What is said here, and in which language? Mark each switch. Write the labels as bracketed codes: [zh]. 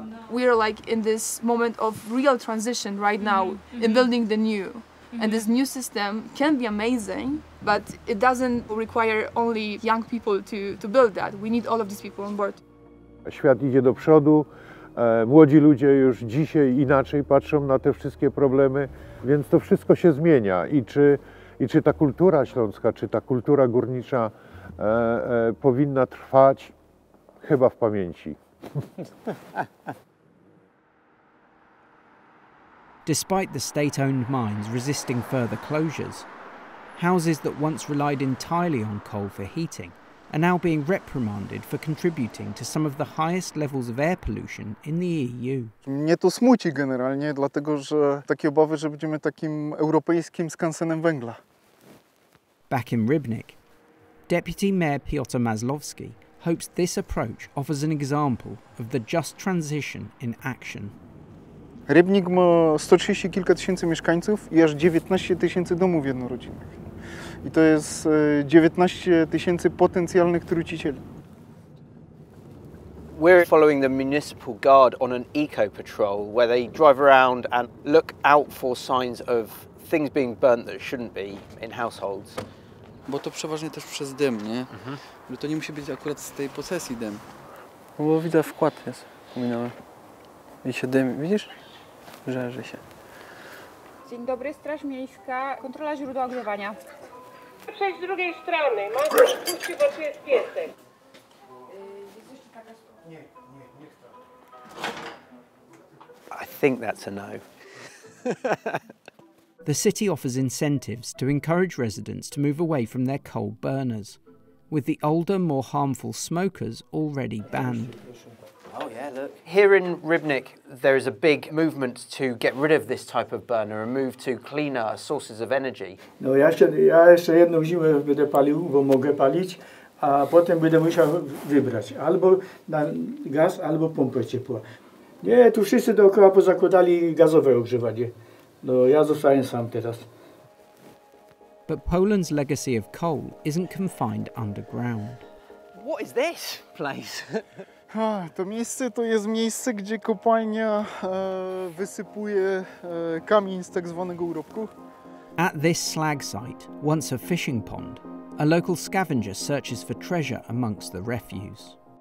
[en] We are like in this moment of real transition right now, in building the new. And this new system can be amazing, but it doesn't require only young people to build that. We need all of these people on board. [pl] Świat idzie do przodu. Młodzi ludzie już dzisiaj inaczej patrzą na te wszystkie problemy, więc to wszystko się zmienia. I czy ta kultura śląska, czy ta kultura górnicza powinna trwać? Chyba w pamięci. [en] Despite the state-owned mines resisting further closures, houses that once relied entirely on coal for heating are now being reprimanded for contributing to some of the highest levels of air pollution in the EU. [pl] Mnie to smuci generalnie, dlatego że takie obawy, że będziemy takim europejskim skansenem węgla. [en] Back in Rybnik, Deputy Mayor Piotr Mazlowski hopes this approach offers an example of the just transition in action. [pl] Rybnik ma 130 kilka tysięcy mieszkańców i aż 19 tysięcy domów jednorodzinnych. I to jest 19 tysięcy potencjalnych trucicieli. [en] We're following the municipal guard on an eco patrol where they drive around and look out for signs of things being burnt that shouldn't be in households. [pl] Bo to przeważnie też przez dym, nie? Mhm. Bo to nie musi być akurat z tej posesji dym. No bo widzę, wkład jest pominąłem. I się dym, widzisz? Żarzy się. Dzień dobry, Straż Miejska, kontrola źródła ogrzewania. Przejdź z drugiej strony, mam coś w kucie, bo tu jest piesek. [en] I think that's a no. The city offers incentives to encourage residents to move away from their coal burners, with the older, more harmful smokers already banned. Oh yeah, look. Here in Rybnik, there is a big movement to get rid of this type of burner and move to cleaner sources of energy. [pl] No, ja jeszcze jedną zimę będę palił, bo mogę palić, a potem będę musiał wybrać albo na gaz, albo pompę ciepła. Nie, tu wszyscy dookoła pozakładali gazowe ogrzewanie. No, ja zostałem sam teraz. [en] But Poland's legacy of coal isn't confined underground. What is this place? [pl] To miejsce to jest miejsce, gdzie kopalnia wysypuje kamień z tak zwanego urobku. [en] At this slag site, once a fishing pond, a local scavenger searches for treasure amongst the refuse.